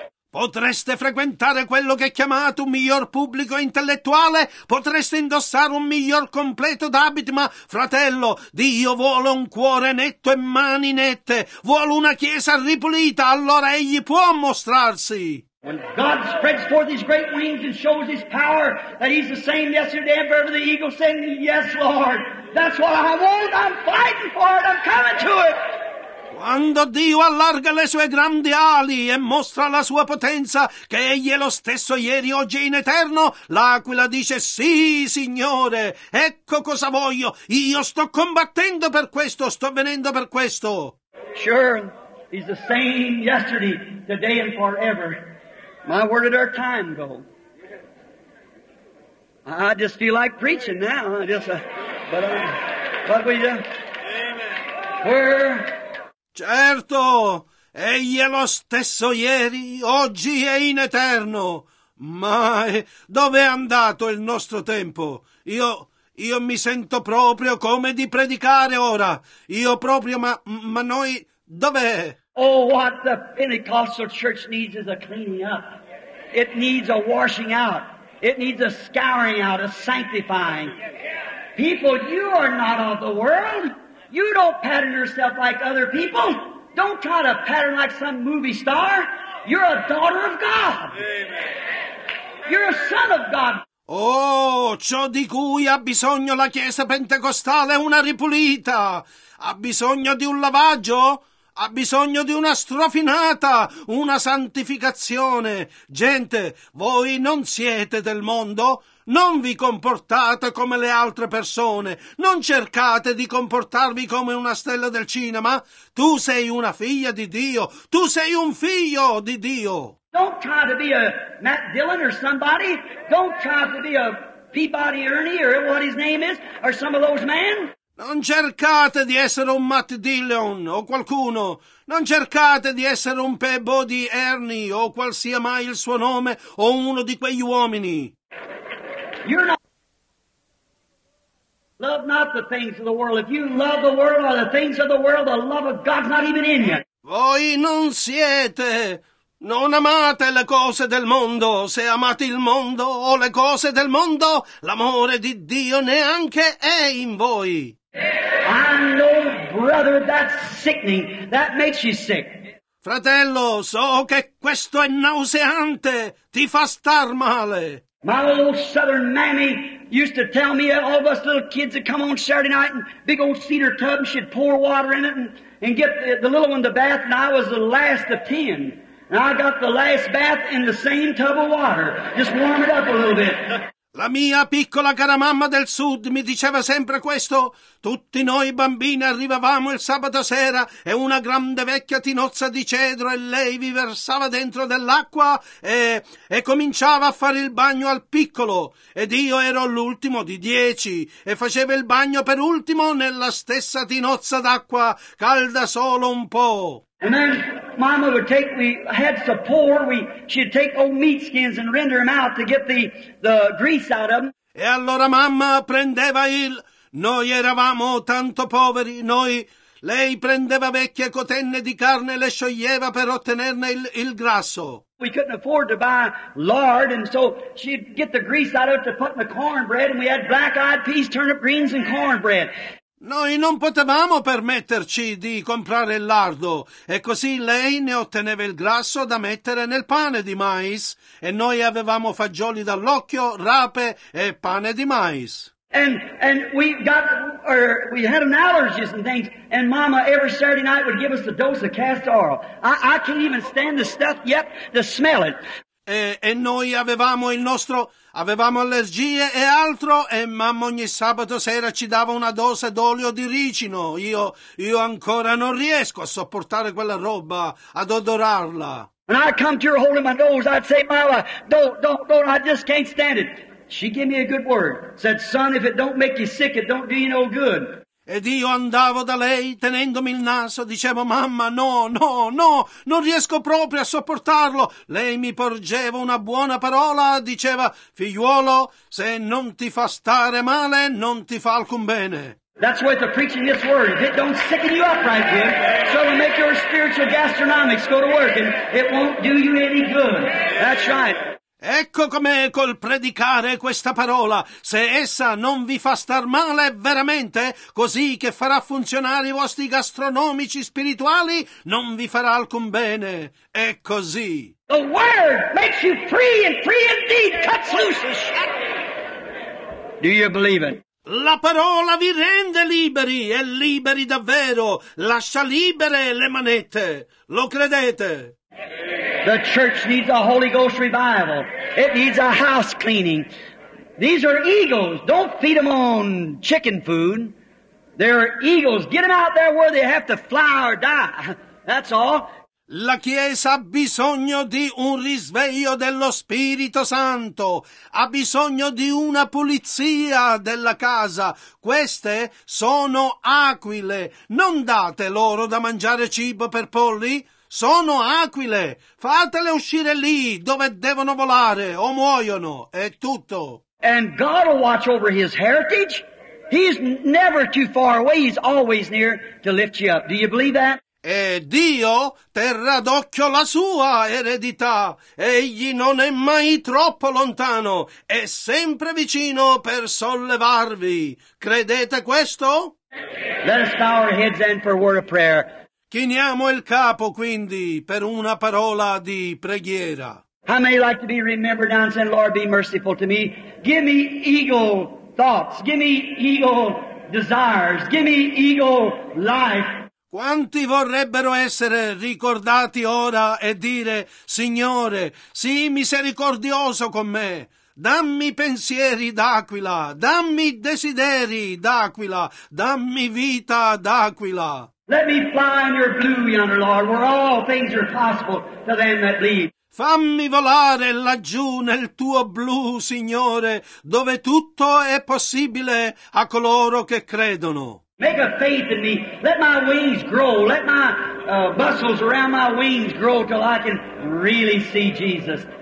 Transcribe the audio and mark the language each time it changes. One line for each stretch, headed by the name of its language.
Italian: Potreste frequentare quello che chiamate un miglior pubblico intellettuale, potreste indossare un miglior completo d'abiti, ma, fratello, Dio vuole un cuore netto e mani nette, vuole una chiesa ripulita, allora egli può mostrarsi.
English: "When God spreads forth his great wings and shows his power, that he's the same yesterday and forever, the eagle saying, 'Yes, Lord, that's what I want, I'm fighting for it, I'm coming to it.'"
Italian: Quando Dio allarga le sue grandi ali e mostra la sua potenza, che egli è lo stesso ieri, oggi e in eterno, l'aquila dice: "Sì, Signore, ecco cosa voglio. Io sto combattendo per questo, sto venendo per questo."
English: "Sure, he's the same yesterday, today and forever. My word at our time go. I just feel like preaching now. I just, but we just, we're..."
Italian: Certo, egli è lo stesso ieri, oggi e in eterno. Ma dove è andato il nostro tempo? Io mi sento proprio come di predicare ora. Io proprio, ma noi, dov'è?
English: "Oh, what the Pentecostal church needs is a cleaning up. It needs a washing out. It needs a scouring out, a sanctifying. People, you are not of the world. You don't pattern yourself like other people. Don't try to pattern like some movie star. You're a daughter of God. Amen. You're a son of God."
Italian: Oh, ciò di cui ha bisogno la Chiesa Pentecostale è una ripulita. Ha bisogno di un lavaggio? Ha bisogno di una strofinata, una santificazione. Gente, voi non siete del mondo. Non vi comportate come le altre persone. Non cercate di comportarvi come una stella del cinema. Tu sei una figlia di Dio. Tu sei un figlio di Dio.
English: Don't try to be a Matt Dillon or somebody. Don't try to be a Peabody Ernie or what his name is or some of those men.
Italian: Non cercate di essere un Matt Dillon o qualcuno. Non cercate di essere un Peabody Ernie o qualsiasi mai il suo nome o uno di quegli uomini.
English: You're not... Love not the things of the world. If you love the world or the things of the world, the love of God's not even in you.
Italian: Voi non siete Non amate le cose del mondo, se amate il mondo o le cose del mondo, l'amore di Dio neanche è in voi.
English: I know, brother, that's sickening. That makes you sick.
Italian: Fratello, so che questo è nauseante, ti fa star male.
English: My little southern mammy used to tell me that all of us little kids that come on Saturday night in big old cedar tub and she'd pour water in it and get the little one to bath, and I was the last of 10. And I got the last bath in the same tub of water. Just warm it up a little bit.
Italian: La mia piccola cara mamma del sud mi diceva sempre questo. Tutti noi bambini arrivavamo il sabato sera e una grande vecchia tinozza di cedro e lei vi versava dentro dell'acqua e cominciava a fare il bagno al piccolo. Ed io ero l'ultimo di 10 e facevo il bagno per ultimo nella stessa tinozza d'acqua, calda solo un po'.
English: And then Mama would take, we had so poor, she'd take old meat skins and render them out to get the grease out of them.
Italian: E allora mamma prendeva il, noi eravamo tanto poveri, noi, lei prendeva vecchie cotenne di carne e le scioglieva per ottenerne il grasso.
English: We couldn't afford to buy lard, and so she'd get the grease out of it to put in the cornbread, and we had black-eyed peas, turnip greens, and cornbread.
Italian: Noi non potevamo permetterci di comprare il lardo, e così lei ne otteneva il grasso da mettere nel pane di mais, e noi avevamo fagioli dall'occhio, rape e pane di mais.
English: And we had an allergies and things, and Mama every Saturday night would give us a dose of castor oil. I can't even stand the stuff yet to smell it.
Italian: E noi avevamo il nostro, avevamo allergie e altro, e mamma ogni sabato sera ci dava una dose d'olio di ricino. Io ancora non riesco a sopportare quella roba, ad odorarla.
English: When I come to her holding my nose, I'd say, Mama, don't, I just can't stand it. She gave me a good word. Said, son, if it don't make you sick, it don't do you no good.
Italian: Ed io andavo da lei tenendomi il naso, dicevo, mamma, no, non riesco proprio a sopportarlo. Lei mi porgeva una buona parola, diceva, figliuolo, se non ti fa stare male, non ti fa alcun bene.
English: That's worth the preaching this word. If it don't sicken you up right here, so to make your spiritual gastronomics go to work, and it won't do you any good. That's right.
Italian: Ecco com'è col predicare questa parola. Se essa non vi fa star male, veramente, così che farà funzionare i vostri gastronomici spirituali, non vi farà alcun bene. È così.
English: The word makes you free, and free indeed cuts loose. Do you believe it?
Italian: La parola vi rende liberi, e liberi davvero. Lascia libere le manette. Lo credete?
English: The church needs a Holy Ghost revival. It needs a house cleaning. These are eagles. Don't feed them on chicken food. They're eagles. Get them out there where they have to fly or die. That's all.
Italian: La Chiesa ha bisogno di un risveglio dello Spirito Santo. Ha bisogno di una pulizia della casa. Queste sono aquile. Non date loro da mangiare cibo per polli. Sono aquile, fatele uscire lì dove devono volare o muoiono, è tutto.
English: And God will watch over his heritage. He's never too far away, he's always near to lift you up. Do you believe that?
Italian: E Dio terrà d'occhio la sua eredità. Egli non è mai troppo lontano, è sempre vicino per sollevarvi. Credete questo?
English: Let us bow our heads and for a word of prayer.
Italian: Chiniamo il capo, quindi, per una parola di preghiera.
English: I may like to be remembered now and say, Lord, be merciful to me. Give me eagle thoughts. Give me eagle desires. Give me eagle life.
Italian: Quanti vorrebbero essere ricordati ora e dire, Signore, sii misericordioso con me. Dammi pensieri d'aquila. Dammi desideri d'aquila. Dammi vita d'aquila.
English: Let me fly in your blue yonder, Lord, where all things are possible to them that believe.
Italian: Fammi volare laggiù nel tuo blu, Signore, dove tutto è possibile a coloro che credono.
English: Make a faith in me. Let my wings grow. Let my muscles around my wings grow till I can really see Jesus.